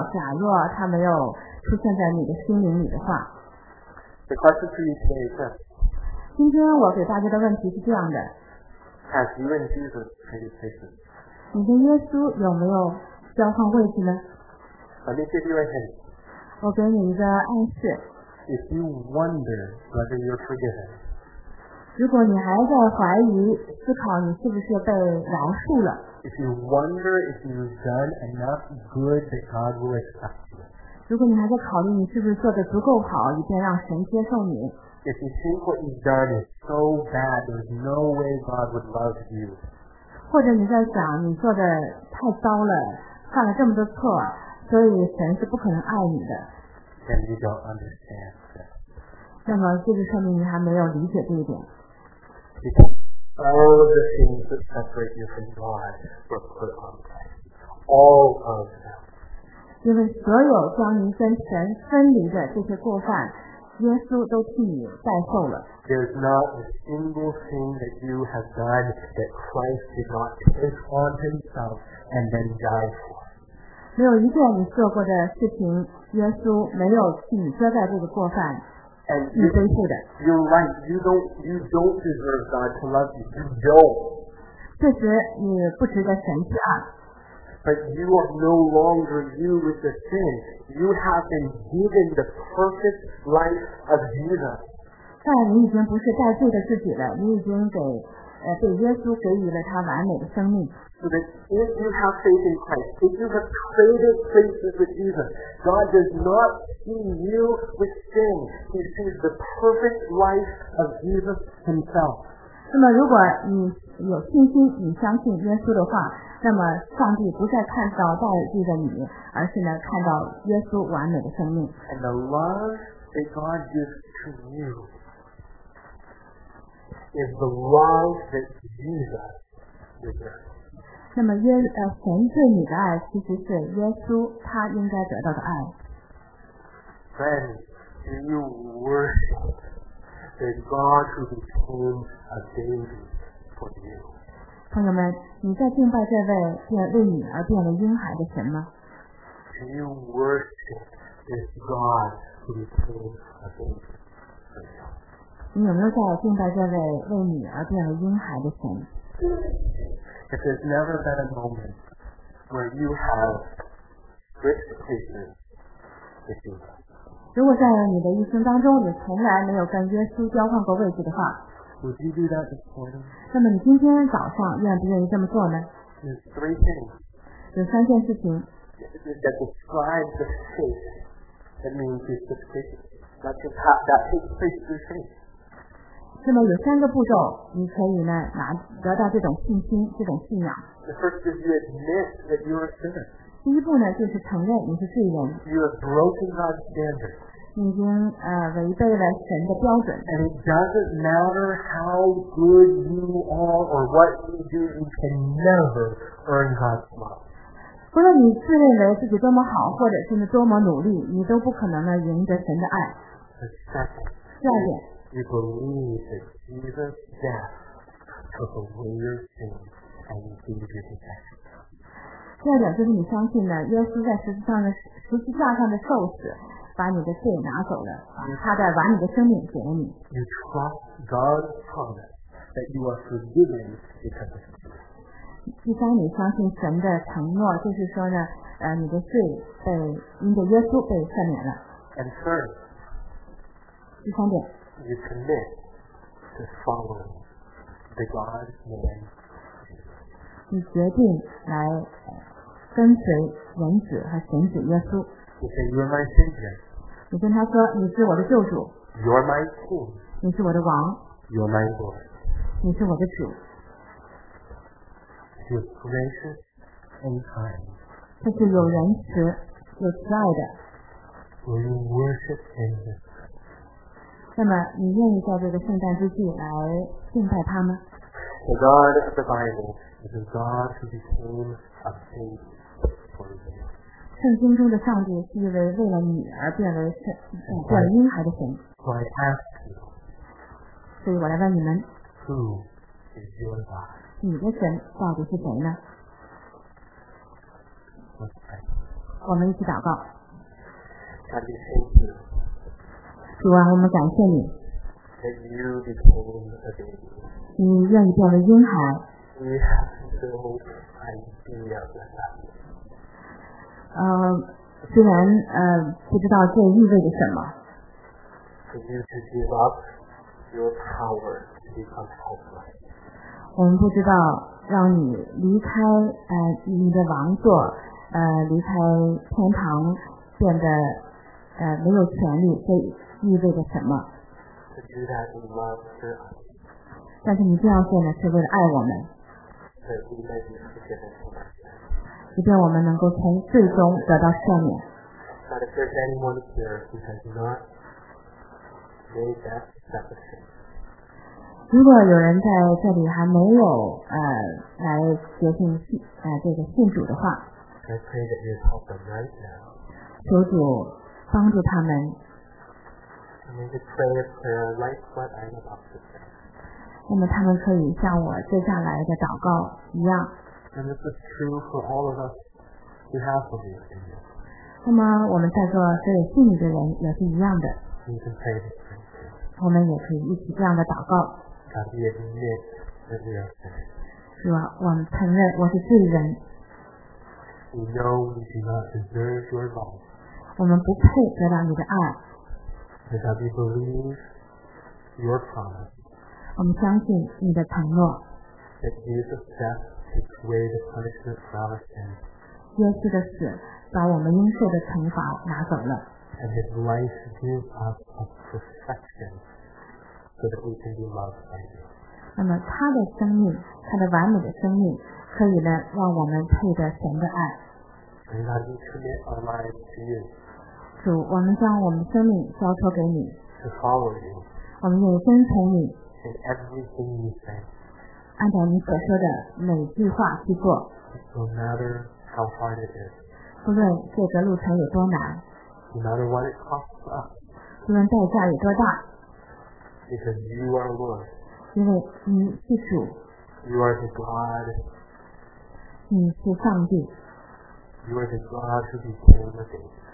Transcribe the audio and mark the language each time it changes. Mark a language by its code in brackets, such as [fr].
[zh] 假若他没有出现在你的心灵里的话。 [en] The question for you today is this. [zh] 今天我给大家的问题是这样的。 [en] Has you and Jesus traded places? [zh] 你跟耶稣有没有交换位置呢？ [en] Let me give you a hint. [zh] 我给你一个暗示。 [en] If you wonder whether you're forgiven. [zh] 如果你还在怀疑思考你是不是被饶恕了。 [en] If you wonder if you've done enough good that God will accept you. [zh] 如果你还在考虑你是不是做得足够好，以便让神接受你。 [en] If you think what you've done is so bad, there's no way God would love you. [zh] 或者你在想你做得太糟了，犯了这么多错，所以神是不可能爱你的。 [en] Then you don't understand that. [zh] 那么这就说明你还没有理解这一点。 [en] Because all of the things that separate you from God were put on Christ. All of them. [zh] 因为所有将你跟神分离的这些过犯，耶稣都替你代受了。 [en] There's not a single thing that you have done that Christ did not take on Himself and then die for. [zh] 没有一件你做过的事情，耶稣没有替你遮盖这个过犯，你背负的。 [en] You're right. You don't deserve God to love you. You don't. [zh] 确实，你不值得神去爱。 [en] But you are no longer you with the sin. You have been given the perfect life of Jesus. [zh] 但你已经不是带罪的自己了，你已经给被耶稣给予了他完美的生命。 [en] So that if you have faith in Christ, if you have traded places with Jesus, God does not see you with sin. He sees the perfect life of Jesus Himself. [zh] 那么如果你有信心，你相信耶稣的话。那么上帝不再看到败绩的你，而是呢看到耶稣完美的生命。 [en] And the love that God gives to you is the love that Jesus deserves. [zh] 那么神对你的爱其实是耶稣他应该得到的爱。 [en] Friends, do you worship the God who became a baby for you? [zh] 朋友们，你在敬拜这位为你而变为婴孩的神吗？ [en] Do you worship this God who became a baby? [zh] 你有没有在敬拜这位为你而变为婴孩的神？ [en] If there's never been a moment where you have stripped Jesus, if you have. [zh] 如果在你的一生当中你从来没有跟耶稣交换过位置的话， [en] Would you do that this morning? [zh] 那么你今天早上愿不愿意这么做呢？ [en] There's three things. [zh] 有三件事情。 [en] That describes the faith. That means it's the faith. That takes place through faith. [zh] 那么有三个步骤，你可以呢拿得到这种信心，这种信仰。 [en] The first is you admit that you are a sinner. [zh] 第一步呢就是承认你是罪人。 [en] You have broken God's standard. [zh] 已经违背了神的标准。 [en] And it doesn't matter how good you are or what you do, you can never earn God's love. [zh] 不论你自认为自己多么好，或者是多么努力，你都不可能呢赢得神的爱。 [en] The second. [zh] 第二点。 [en] You believe that Jesus' death took away your sins and you gave you his life. [zh] 第二点就是你相信呢，耶稣在十字架上的受死。把你的罪拿走了，他在把你的生命给了你。 [en] You trust God's promise that you are forgiven because of Jesus. [zh] 第三，你相信神的承诺，就是说呢，你的罪因着耶稣被赦免了。 [en] And third, [zh] 第三点 [en] you commit to follow the God man. [zh] 你决定来跟随人子和神子耶稣。 [en] You say, you're my savior. [zh] 你跟他说你是我的救主。 [en] You're my king. [zh] 你是我的王。 [en] You're my lord. [zh] 你是我的主。 [en] You're gracious and kind. [zh] 这是有仁慈有慈爱的。 [en] Will you worship in him? [zh] 那么你愿意在这个圣诞之际来敬拜他吗？ [en] The God of the Bible is a God who became a baby for you. [zh] 圣经中的上帝是一位为了女儿变为圣，变为婴孩的神。 [en] So I ask you, [zh] 所以我来问你们， [en] Who is your God? [zh] 你的神到底是谁呢？ [en] Let's pray. [zh] 我们一起祷告。 [en] God, we thank you. [zh] 主啊，我们感谢你。 [en] That you became a baby. [zh] 你愿意变为婴孩。 [en] We have no idea of that. [zh] 虽然不知道这意味着什么。 [en] For you to give up your power to become helpless. [zh] 我们不知道让你离开你的王座，离开天堂，变得没有权利，这意味着什么。 [en] To do that in love for us. [zh] 但是你这样做呢，是为了爱我们。 [en] That we may be forgiven. [zh] 即便我们能够从最终得到赦免。 [en] But if there's anyone here who has not made that decision, [zh] 如果有人在这里还没有来决定这个信主的话， [en] I pray that you help them right now. [zh] 求主帮助他们。 [en] I need to pray a prayer like what I'm about to say. [zh] 那么他们可以像我接下来的祷告一样。 [en] And this is true for all of us who have believed in you. [zh] 那么我们在座所有信你的人也是一样的。 [en] We can pray this prayer. [zh] 我们也可以一起这样的祷告。 [en] God, we admit that we are sinners. [zh] 是吧？我们承认我是罪人。 [en] We know we do not deserve your love. [zh] 我们不配得到你的爱。 [en] But God, we believe your promise. [zh] 我们相信你的承诺。 [en] That Jesus death. Takes away the punishment for our sins. [zh] 耶稣的死把我们应受的惩罚拿走了。 [en] And his life gives us a perfection so that we can be loved by him. [zh] 那么他的生命，他的完美的生命，可以呢让我们配得神的爱。 [en] And God, we commit our lives to you. [zh] 主，我们将我们生命交托给你。 [en] To follow you. [zh] 我们愿意跟从你。 [en] In everything you say. [zh] 按照你所说的每句话去做。 [en] No matter how hard it is. [zh] 不论这个路程有多难。 [en] No matter what it costs us. [zh] 不论代价有多大。 [en] Because you are Lord. [zh] 因为你是主。 [en] You are the God. 你是上帝。 You are the God who became a baby.